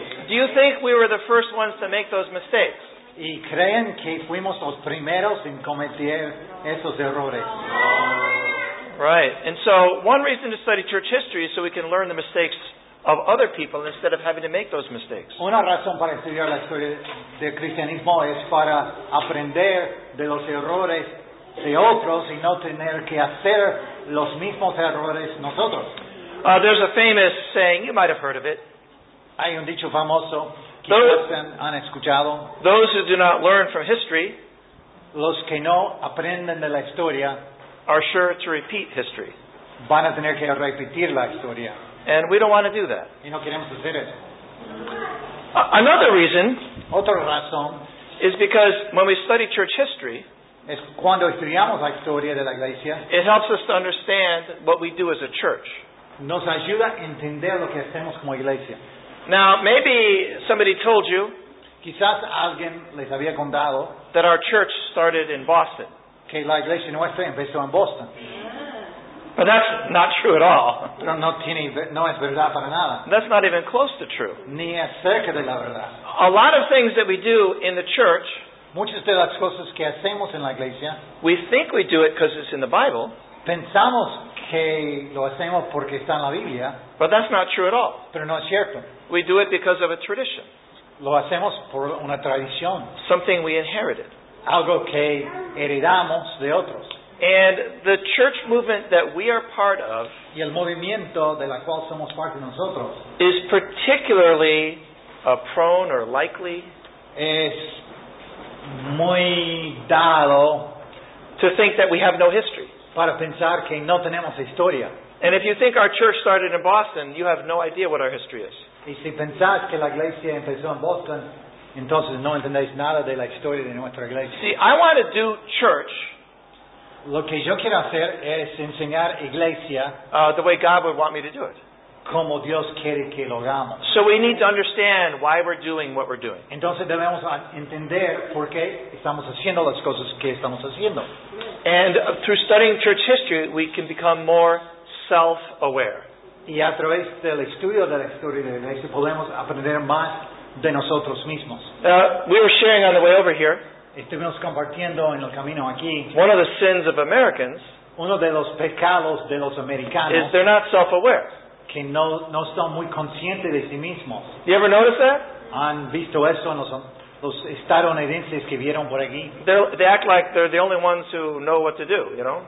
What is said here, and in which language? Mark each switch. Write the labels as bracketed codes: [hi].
[en] Do you think we were the first ones to make those mistakes? [es] ¿Y creen que fuimos los primeros en cometer esos errores? [en] Right. And so, one reason to study church history is so we can learn the mistakes of other people instead of having to make those mistakes. [es] Una razón para estudiar la historia del cristianismo es para aprender de los errores de otros y no tener que hacer los mismos errores nosotros. [en] There's a famous saying, you might have heard of it. [es] Hay un dicho famoso que quizás han escuchado. [en] Those who do not learn from history, [es] los que no aprenden de la historia, [en] are sure to repeat history. [es] Van a tener que repetir la historia. [en] And we don't want to do that. [es] Y no queremos hacer eso. [en] Another reason, [es] otra razón, [en] is because when we study church history, [es] es cuando estudiamos la historia de la iglesia, [en] it helps us to understand what we do as a church. [es] Nos ayuda a entender lo que hacemos como iglesia. [en] Now, maybe somebody told you, [es] quizás alguien les había contado, [en] that our church started in Boston. [es] Que la iglesia nuestra empezó en Boston. [en] But that's not true at all. [es] Pero no tiene, no es verdad para nada. [en] That's not even close to true. [es] Ni es cerca de la verdad. [en] A lot of things that we do in the church, [es] muchas de las cosas que hacemos en la iglesia, [en] we think we do it because it's in the Bible. [es] Pensamos que lo hacemos porque está en la Biblia. [en] But that's not true at all. [es] Pero no es cierto. [en] We do it because of a tradition. [es] Lo hacemos por una tradición. [en] Something we inherited. [es] Algo que heredamos de otros. [en] And the church movement that we are part of, [es] y el movimiento de la cual somos parte nosotros, [en] is particularly prone or likely, [es] es muy dado, [en] to think that we have no history. [es] Para pensar que no tenemos historia. [en] And if you think our church started in Boston, you have no idea what our history is. [es] Y si pensás que la iglesia empezó en Boston, entonces no entendéis nada de la historia de nuestra iglesia. [en] See, I want to do church. [es] Lo que yo quiero hacer es enseñar iglesia [en] the way God would want me to do it. [es] Como Dios quiere que lo hagamos. [en] So we need to understand why we're doing what we're doing. [es] Entonces debemos entender por qué estamos haciendo las cosas que estamos haciendo. [en] And through studying church history, we can become more self-aware. [es] Y a través del estudio de la historia de la iglesia podemos aprender más de nosotros mismos. [en] We were sharing on the way over here. [es] Estuvimos compartiendo en el camino aquí. [en] One of the sins of Americans, [es] uno de los pecados de los americanos, [en] is they're not self-aware. [es] Que no son muy conscientes de sí mismos. [en] You ever notice that? [es] ¿Han visto eso en los estadounidenses que vieron por aquí? [en] They act like they're the only ones who know what to do, you know?